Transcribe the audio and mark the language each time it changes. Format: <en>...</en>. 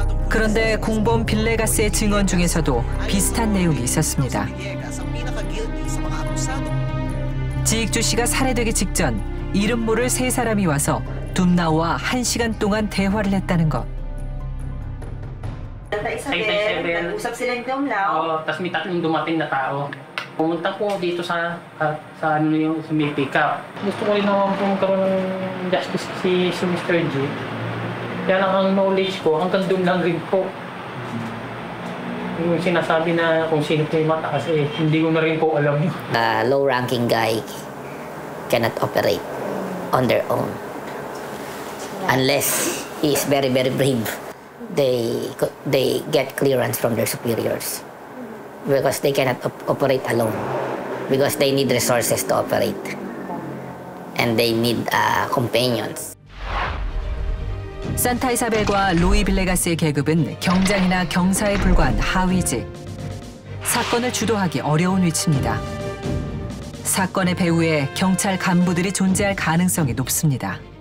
<ko>그런데 공범 빌레가스의 증언 중에서도 비슷한 내용이 있었습니다. 지익주 씨가 살해되기 직전 이름 모를 세 사람이 와서 둠나오와 한 시간 동안 대화를 했다는 것.</ko> <tl>나타 Isabel, nag-usap sila ng Dumlao. Tapos may tatlong dumating na tao. Pumunta ko dito sa ano yung sumipika. Gusto ko rin naman pumagkaroon ng justice si Mr. G. Kaya lang ang knowledge ko, hanggang doon lang rin po. Yung sinasabi na kung sino po yung mataas, hindi ko na rin po alam yun.</tl> <en>A low-ranking guy cannot operate on their own. Unless he is very, very brave. They get clearance from their superiors because they cannot operate alone because they need resources to operate and they need companions.</en> <ko>산타 이사벨과 로이 빌레가스의 계급은 경장이나 경사에 불과한 하위직. 사건을 주도하기 어려운 위치입니다. 사건의 배후에 경찰 간부들이 존재할 가능성이 높습니다.</ko>